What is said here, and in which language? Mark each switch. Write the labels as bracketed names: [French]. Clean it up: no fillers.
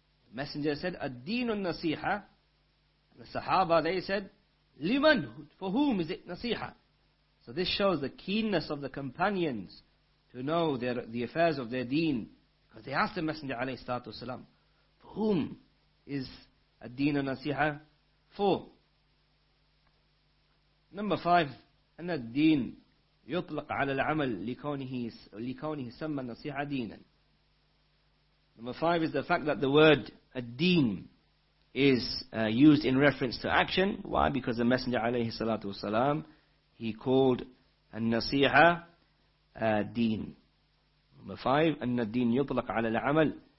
[English] The Messenger said, الدين النصيحة. The Sahaba, they said, Liman, for whom is it nasiha? So this shows the keenness of the companions to know the affairs of their deen. Because they asked the Messenger alayhi salatu wasalam, for whom is a deen or nasiha for? Number five, [Arabic] أن الدين يطلق على العمل لكونه سمى نصيحة دينا. [English] Number five is the fact that the word الدين is used in reference to action. Why? Because the Messenger alayhi salatu wasalam, he called an-nasiha deen. Number five, [Arabic] anna deen yutlaq ala al-amal.